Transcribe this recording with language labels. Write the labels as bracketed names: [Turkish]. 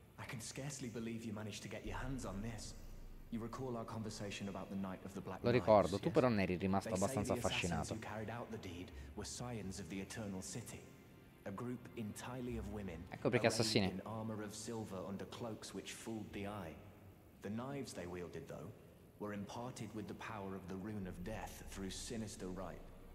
[English] I can scarcely believe you managed to get your hands on this. You recall our conversation about the night of the black knife. [Italian] Lo ricordo, tu però ne eri rimasto abbastanza affascinato. [English] They carried out the deed were scions of the Eternal City. A group entirely of women. [Italian] Ecco perché assassine. [English] In armor of silver under cloaks which fooled the eye. The knives they wielded though were imparted with the power of the rune of death through sinister rite.